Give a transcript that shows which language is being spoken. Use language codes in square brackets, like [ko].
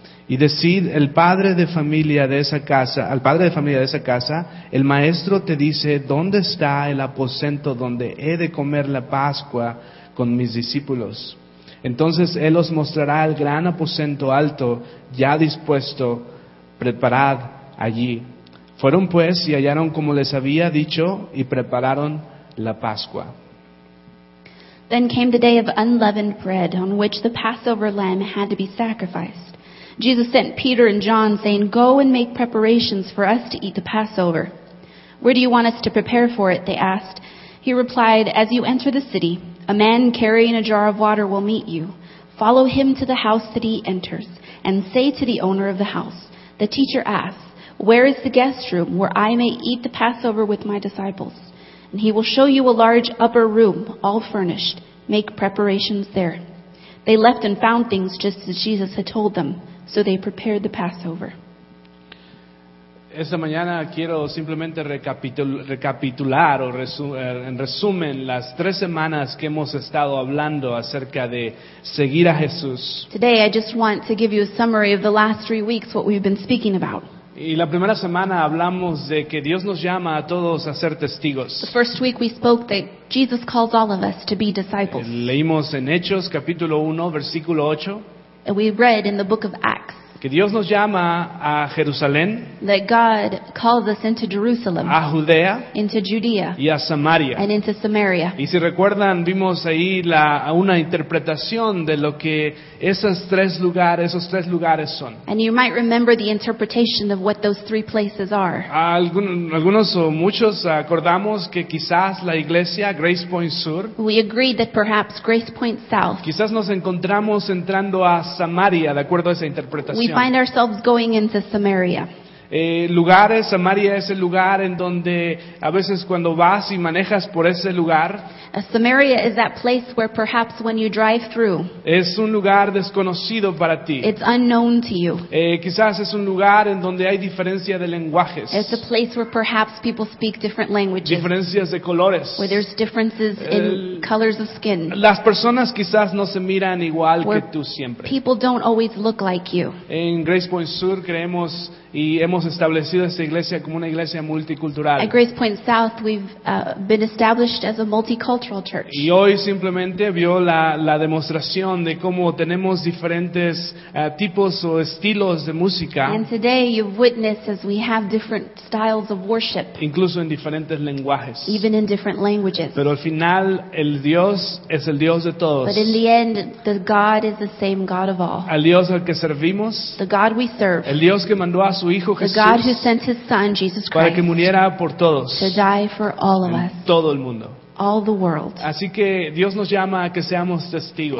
[es] Y decid, al padre de familia de esa casa, el maestro te dice, ¿dónde está el aposento donde he de comer la Pascua con mis discípulos? Entonces él os mostrará el gran aposento alto, ya dispuesto, preparad allí. Fueron pues y hallaron como les había dicho y prepararon la Pascua. [en] Then came the day of unleavened bread, on which the Passover lamb had to be sacrificed. Jesus sent Peter and John, saying, go and make preparations for us to eat the Passover. Where do you want us to prepare for it? They asked. He replied, as you enter the city, a man carrying a jar of water will meet you. Follow him to the house that he enters, and say to the owner of the house, the teacher asks, where is the guest room where I may eat the Passover with my disciples? And he will show you a large upper room, all furnished. Make preparations there. They left and found things just as Jesus had told them, so they prepared the Passover. [es] Esta mañana quiero simplemente recapitular o en resumen las tres semanas que hemos estado hablando acerca de seguir a Jesús. [en] Today I just want to give you a summary of the last 3 weeks, what we've been speaking about. [es] Y la primera semana hablamos de que Dios nos llama a todos a ser testigos. [en] The first week we spoke that Jesus calls all of us to be disciples. [es] Leímos en Hechos capítulo 1 versículo 8. [en] And we read in the book of Acts. [es] Que Dios nos llama a Jerusalén, [en] that God calls us into Jerusalem, [es] a Judea, [en] into Judea, [es] y a Samaria, [en] and into Samaria. [es] Y si recuerdan, vimos ahí una interpretación de lo que esos tres lugares son. [en] And you might remember the interpretation of what those three places are. [es] Algunos o muchos acordamos que quizás la iglesia Grace Point Sur, [en] we agreed that perhaps Grace Point South, [es] quizás nos encontramos entrando a Samaria, de acuerdo a esa interpretación. [en] We find ourselves going into Samaria. [es] Samaria es el lugar en donde a veces cuando vas y manejas por ese lugar. [en] Samaria is that place where perhaps when you drive through. [es] Es un lugar desconocido para ti. [en] It's unknown to you. [es] Quizás es un lugar en donde hay diferencia de lenguajes. [en] It's a place where perhaps people speak different languages. [es] Diferencias de colores. [en] Where there's differences in colors of skin. [es] Las personas quizás no se miran igual que tú siempre. [en] People don't always look like you. [es] En Grace Point Sur creemos y hemos establecido esta iglesia como una iglesia multicultural. [en] At Grace Point South, we've been established as a multicultural church. [es] Y hoy simplemente vio la demostración de cómo tenemos diferentes tipos o estilos de música. [en] And today you've witnessed as we have different styles of worship. [es] Incluso en diferentes lenguajes. [en] Even in different languages. [es] Pero al final, el Dios es el Dios de todos. [en] But in the end, the God is the same God of all. [es] Al Dios al que servimos. [en] The God we serve. [es] El Dios que mandó a su Hijo [en] Jesús, the God who sent His Son, Jesus Christ, [es] para que muriera por todos, [en] to die for all of us, [es] todo el mundo. [en] All the world. [es] Así que Dios nos llama a que seamos testigos.